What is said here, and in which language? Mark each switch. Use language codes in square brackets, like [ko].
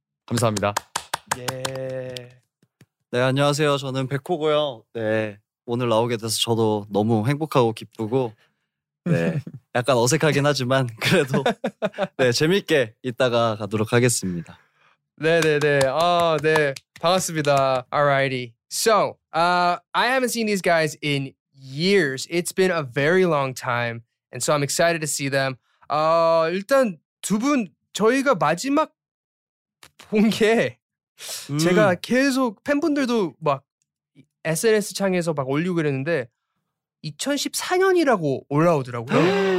[ko] 감사합니다. 예. 네, 안녕하세요. 저는 백호고요. 네. 오늘 나오게 돼서 저도 너무 행복하고 기쁘고 네. 약간 어색하긴 하지만 그래도 네, 재밌게 이따가 가도록 하겠습니다. 네, 네, 네. 네. 반갑습니다. Alrighty. [en] So, I haven't seen these guys in years. It's been a very long time. And so I'm excited to see them. [ko] 일단 두 분 저희가 마지막 본 게 제가 계속 팬분들도 막 SNS 창에서 막 올리고 그랬는데 2014년이라고 올라오더라고요.